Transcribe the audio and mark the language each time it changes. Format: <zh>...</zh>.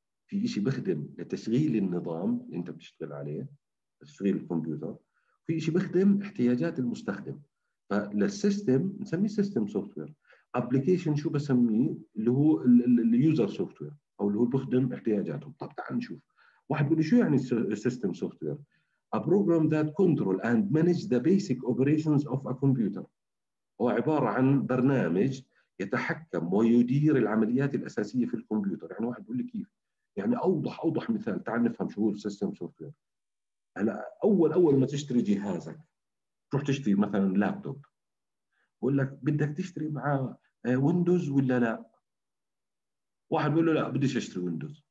<ar>في شيء بخدم لتشغيل النظام اللي انت بتشتغل عليه، تشغيل الكمبيوتر، في شيء بخدم احتياجات المستخدم. فالسيستم نسميه سيستم سوفت وير، ابلكيشن شو بسميه اللي هو اليوزر سوفت وير او اللي هو بخدم احتياجاتهم. طب تعال نشوف. واحد بيقول شو يعني سيستم سوفت وير؟</ar> <en>A program that control and manage the basic operations of a computer.</en> <ar>هو عبارة عن برنامج يتحكم ويدير العمليات الأساسية في الكمبيوتر. يعني واحد بيقول لي كيف؟ يعني أوضح مثال، تعال نفهم شو هو سيستم سوفت وير. هلا أول ما تشتري جهازك، تروح تشتري مثلا لابتوب، بقول لك بدك تشتري مع ويندوز ولا لا؟ واحد بيقول له لا بديش اشتري ويندوز.</ar>